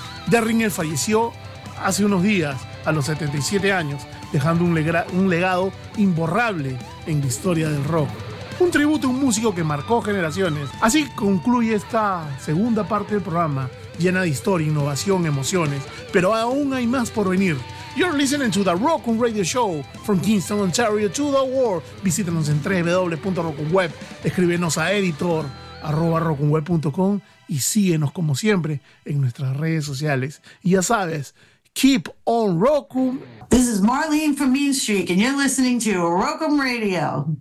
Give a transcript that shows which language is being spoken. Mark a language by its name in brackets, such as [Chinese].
[Spanish] Derringer falleció hace unos días, a los 77 años, dejando un legado imborrable en la historia del rock. Un tributo a un músico que marcó generaciones. Así concluye esta segunda parte del programa, llena de historia, innovación, emociones. Pero aún hay más por venir. [English] You're listening to The Rock'em Radio Show from Kingston, Ontario to the world. [Spanish] Visítenos en www.rock'emweb. Escríbenos a editor@rock'emweb.com y síguenos, como siempre, en nuestras redes sociales. Y ya sabes, [English] keep on rock'em. This is Marlene from Mean Streak, and you're listening to Rock'em Radio.